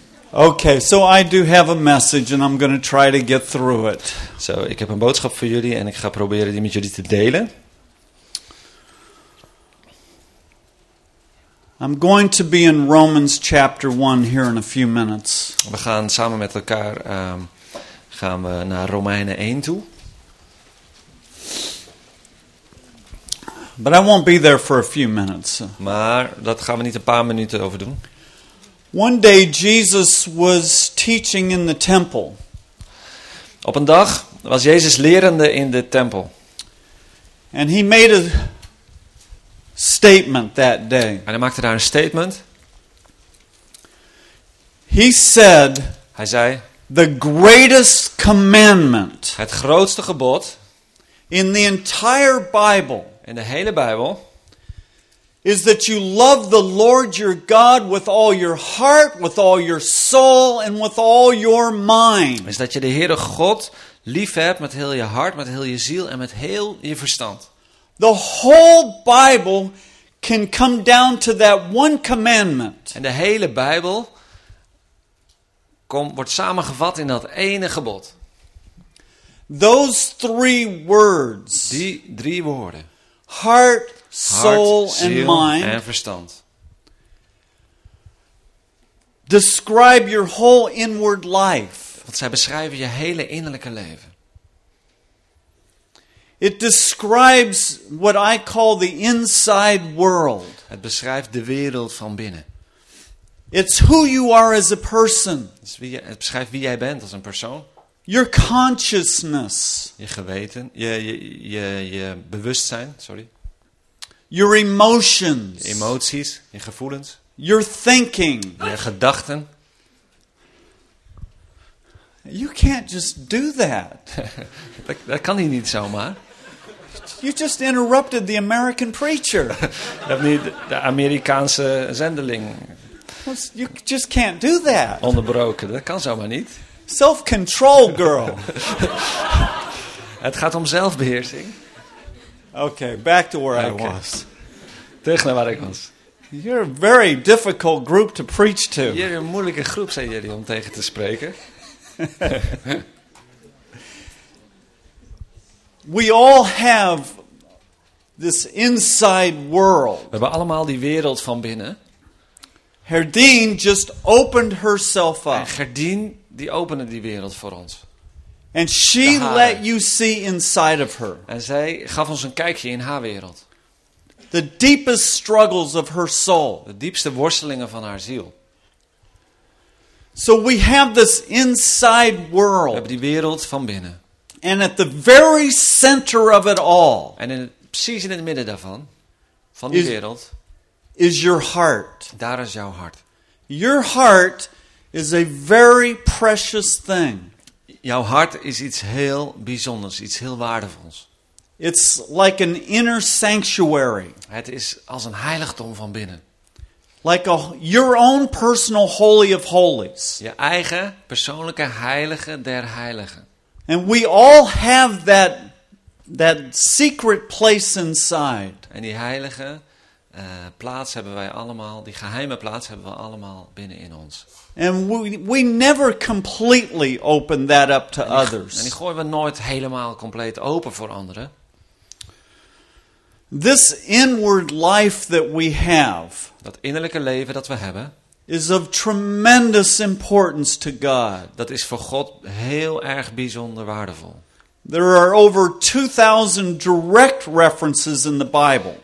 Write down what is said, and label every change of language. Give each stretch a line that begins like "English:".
English: Okay, so I do have a message and I'm going to try to get through it.
Dutch: So, ik heb een boodschap voor jullie en ik ga proberen die met jullie te delen.
English: I'm going to be in Romans chapter 1 here in a few minutes.
Dutch: We gaan samen met elkaar gaan we naar Romeinen 1 toe.
English: But I won't be there for a few minutes.
Dutch: Maar dat gaan we niet een paar minuten over doen.
English: One day Jesus was teaching in the temple.
Dutch: Op een dag was Jezus lerende in de tempel.
English: And he made a statement that day.
Dutch: En hij maakte daar een statement.
English: He said,
Dutch: hij zei,
English: the greatest commandment.
Dutch: Het grootste gebod
English: in the entire Bible.
Dutch: In de hele Bijbel.
English: Is that you love the Lord your God with all your heart, with all your soul and with all your mind.
Dutch: Is dat je de Heere God lief hebt met heel je hart, met heel je ziel en met heel je verstand.
English: The whole Bible can come down to that one commandment.
Dutch: En de hele Bijbel wordt samengevat in dat ene gebod.
English: Those three words.
Dutch: Die drie woorden.
English: Heart, soul and mind.
Dutch: En verstand.
English: Describe your whole inward life.
Dutch: Want zij beschrijven je hele innerlijke leven.
English: It describes what I call the inside world.
Dutch: Het beschrijft de wereld van binnen.
English: It's who you are as a person.
Dutch: Het beschrijft wie jij bent als een persoon.
English: Your consciousness.
Dutch: Je geweten, je bewustzijn, sorry.
English: Your emotions.
Dutch: Je emoties, je gevoelens.
English: Your thinking.
Dutch: Je gedachten.
English: You can't just do that.
Dutch: Dat kan hij niet zomaar.
English: You just interrupted the American preacher.
Dutch: Je hebt niet de Amerikaanse zendeling.
English: You just can't do that.
Dutch: Onderbroken, dat kan zomaar niet.
English: Self-control, girl.
Dutch: Het gaat om zelfbeheersing.
English: Okay, back to where I was.
Dutch: Terug naar waar ik was.
English: You're a very difficult group to preach to.
Dutch: Jullie een moeilijke groep, zijn jullie om tegen te spreken.
English: We all have this inside world.
Dutch: We hebben allemaal die wereld van binnen.
English: Gerdien just opened herself up.
Dutch: En Gerdien die opende die wereld voor ons.
English: And she let you see inside of her.
Dutch: En zij gaf ons een kijkje in haar wereld.
English: The deepest struggles of her soul.
Dutch: De diepste worstelingen van haar ziel.
English: So we have this inside world.
Dutch: We hebben die wereld van binnen.
English: And at the very center of it all.
Dutch: En precies in het midden daarvan, van die wereld,
English: is your heart.
Dutch: Daar is jouw hart.
English: Your heart is a very precious thing.
Dutch: Jouw hart is iets heel bijzonders, iets heel waardevols.
English: It's like an inner sanctuary.
Dutch: Het is als een heiligdom van binnen.
English: Like your own personal holy of holies.
Dutch: Je eigen persoonlijke heilige der heiligen.
English: And we all have that secret place inside.
Dutch: En die heilige plaats hebben wij allemaal, die geheime plaats hebben we allemaal binnen in ons.
English: And we never completely open that up to others.
Dutch: En die gooien we nooit helemaal compleet open voor anderen.
English: This inward life that we have,
Dutch: dat innerlijke leven dat we hebben,
English: is of tremendous importance to God.
Dutch: Dat is voor God heel erg bijzonder waardevol.
English: There are over 2000 direct references in the Bible.